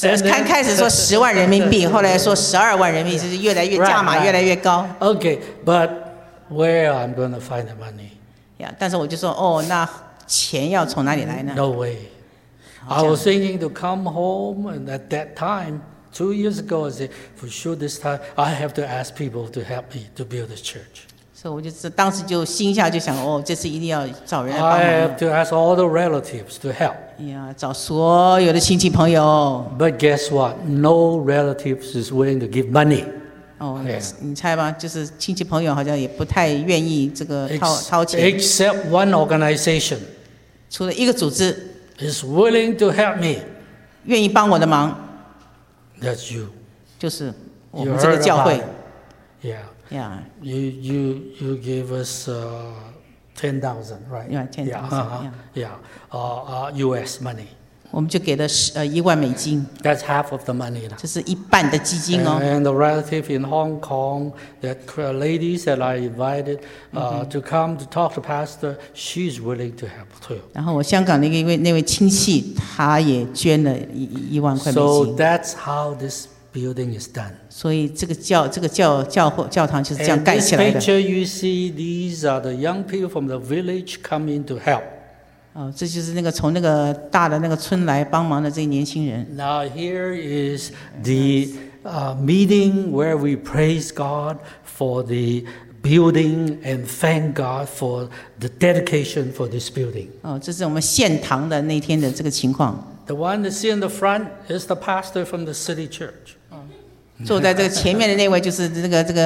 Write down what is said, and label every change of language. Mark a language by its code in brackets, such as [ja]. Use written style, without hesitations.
[zh] 刚开始说10万人民币，后来说12万人民币，就是越来越价码越来越高。 [en] Okay, but where I'm going to find the money? [zh] Yeah, 但是我就说，那钱要从哪里来呢？ [en] No way. I was thinking to come home and at that time,2 years ago, I said, for sure this time, I have to ask people to help me to build this church. [zh] So, 我就当时就心下就想，这次一定要找人来帮忙。 [en] I have to ask all the relatives to help. [zh] Yeah, 找所有的亲戚朋友。 [en] But guess what? No relatives is willing to give money. [zh] Yeah. 你猜吧，就是亲戚朋友好像也不太愿意这个掏钱。 [en] Except one organization. [zh] 除了一个组织。 [en] Is willing to help me. [zh] 愿意帮我的忙。 [en] That's you. [zh] 就是我们这个教会。 [en] Yeah. Yeah. You gave us 10,000, right? Yeah, 10,000. Yeah. U.S. money. [zh] 我们就给了$10,000. [en] That's half of the money. [zh] 这是一半的基金哦。 [en] And the relative in Hong Kong, that ladies that I invited to come to talk to pastor, she's willing to help too. [zh] 然后我香港那位亲戚，他也捐了$10,000. [en] So that's how this building is done. [zh] 所以这个教堂就是这样盖起来的。 [en] And this picture you see, these are the young people from the village coming to help. [zh] 这就是那个从那个大的那个村来帮忙的这些年轻人。 [en] Now here is the meeting where we praise God for the building and thank God for the dedication for this building. [zh] 这是我们献堂的那天的这个情况。 [en] The one that's in the front is the pastor from the city church. [zh] 坐在这个前面的那位就是这个